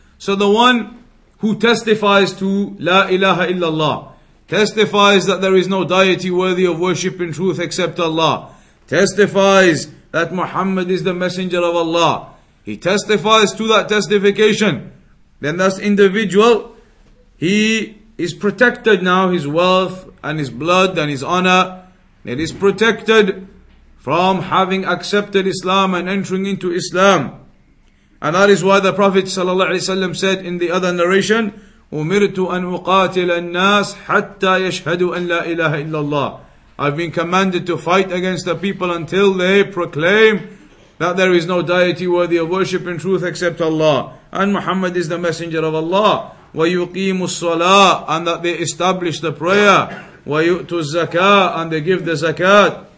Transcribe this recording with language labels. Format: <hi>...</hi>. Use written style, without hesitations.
<en>So the one who testifies to</en> <ar>لا إله إلا الله,</ar> <en>testifies that there is no deity worthy of worship in truth except Allah, testifies that Muhammad is the messenger of Allah, he testifies to that testification, then that individual, he is protected now, his wealth and his blood and his honor, it is protected from having accepted Islam and entering into Islam. And that is why the Prophet ﷺ said in the other narration,</en> <ar>أُمِرْتُ أَنْ أُقَاتِلَ النَّاسِ حَتَّى يَشْهَدُوا أَنْ لَا إِلَهَ إِلَّا اللَّهِ.</ar> <en>I've been commanded to fight against the people until they proclaim that there is no deity worthy of worship in truth except Allah, and Muhammad is the messenger of Allah.</en> <ar>وَيُقِيمُ الصَّلَاةِ,</ar> <en>and that they establish the prayer.</en> <ar>وَيُؤْتُ الزَّكَاةِ,</ar> <en>and they give the zakat.</en>